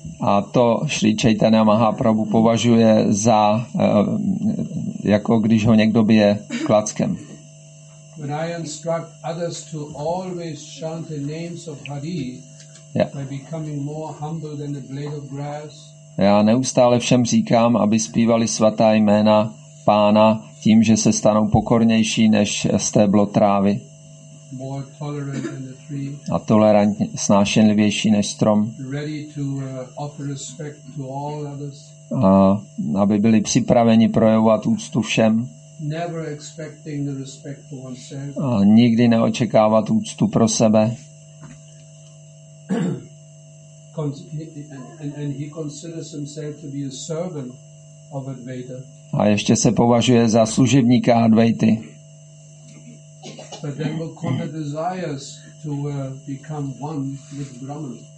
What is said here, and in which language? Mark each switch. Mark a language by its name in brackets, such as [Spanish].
[Czech] A to Sri Chaitanya Mahaprabhu považuje za jako když ho někdo bije klackem. [English] When I instruct others to always chant the names of Hari, by becoming more humble than a blade of grass. [Czech] Já neustále všem říkám, aby zpívali svatá jména pána tím, že se stanou pokornější než stéblo trávy. [English] More tolerant than the tree. [Czech] A tolerantně snášenlivější než strom. [English] Ready to offer respect to all others. [Czech] A aby byli připraveni projevovat úctu všem. [English] Never expecting the respect for oneself. [Czech] A nikdy neočekávat úctu pro sebe. [English] And he considers himself to be a servant of Advaita. [Czech] A ještě se považuje za služebníka Advaity. [English] But then Mukunda desires to become one with Brahman.